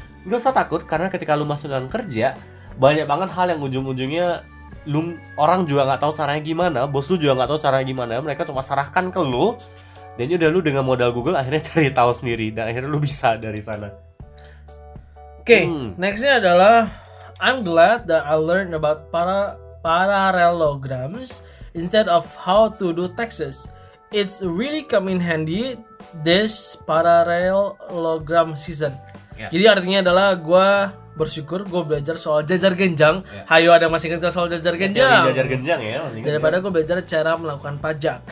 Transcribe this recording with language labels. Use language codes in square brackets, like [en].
[id] Gak usah takut, karena ketika lu masuk yang kerja, banyak banget hal yang ujung-ujungnya lu, orang juga gak tahu caranya gimana, bos lu juga gak tahu caranya gimana, mereka cuma serahkan ke lu, dan udah lu dengan modal Google akhirnya cari tahu sendiri, dan akhirnya lu bisa dari sana. Oke, nextnya adalah, [en] I'm glad that I learned about parallelograms instead of how to do taxes. It's really come in handy this parallelogram season. Yeah. [id] Jadi artinya adalah gue bersyukur gue belajar soal jajar genjang. Yeah. Hayo ada masih ingat soal jajar genjang? Jajar genjang ya. Masih daripada gue belajar cara melakukan pajak.